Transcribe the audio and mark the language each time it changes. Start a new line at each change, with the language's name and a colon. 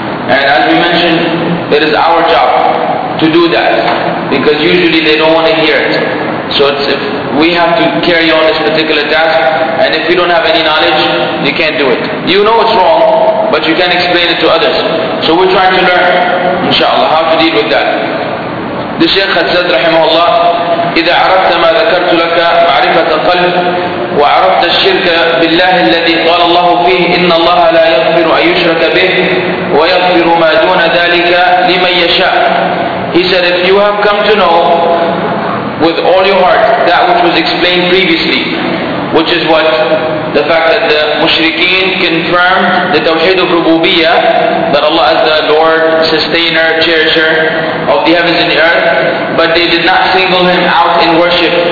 English: And as we mentioned, it is our job to do that, because usually they don't want to hear it. So it's, if we have to carry on this particular task, and if you don't have any knowledge, you can't do it. You know it's wrong, but you can't explain it to others. So we're trying to learn, inshallah, how to deal with that. The Shaykh had said,
Arabic: rahimahullah, إِذَا عَرَفْتَ مَا ذَكَرْتُ لَكَ مَعْرِفَةَ الْقَلْبِ وَعَرَفْتَ الشِّرْكَ بِاللَّهِ الَّذِي قَالَ اللَّهُ فِيهِ إِنَّ اللَّهَ لَا يَغْفِرُ أَن يُشْرَكَ بِهِ وَيَغْفِرُ مَا دُونَ ذَلِكَ لِمَن يَشَاءُ.
English: He said, if you have come to know with all your heart that which was explained previously, which is what? The fact that the mushrikeen confirmed the Tawheed of Rububiyyah, that Allah is the Lord, Sustainer, Cherisher of the heavens and the earth, but they did not single Him out in worship.